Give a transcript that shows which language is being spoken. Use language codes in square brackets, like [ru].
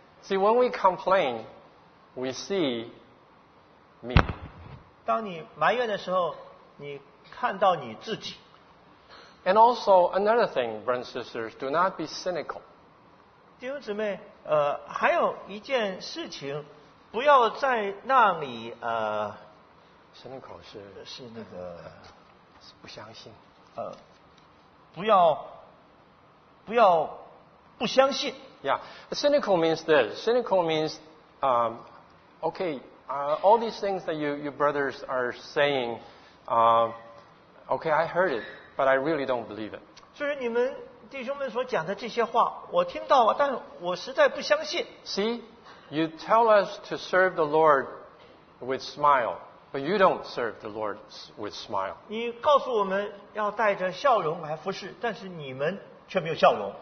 [en] See, when we complain, we see me. [zh] 当你埋怨的时候，你看到你自己。 [en] And also, another thing, brothers and sisters, do not be cynical. [zh] 弟兄姊妹，还有一件事情，不要在那里 cynical 是那个是不相信。不要不相信。 [en] Yeah, cynical means this. Cynical means, all these things that you brothers are saying, I heard it. But I really don't believe it. [zh] 所以你们弟兄们所讲的这些话，我听到了，但我实在不相信。 [en] See, you tell us to serve the Lord with smile, but you don't serve the Lord with smile. [zh] 你告诉我们要带着笑容来服侍，但是你们却没有笑容。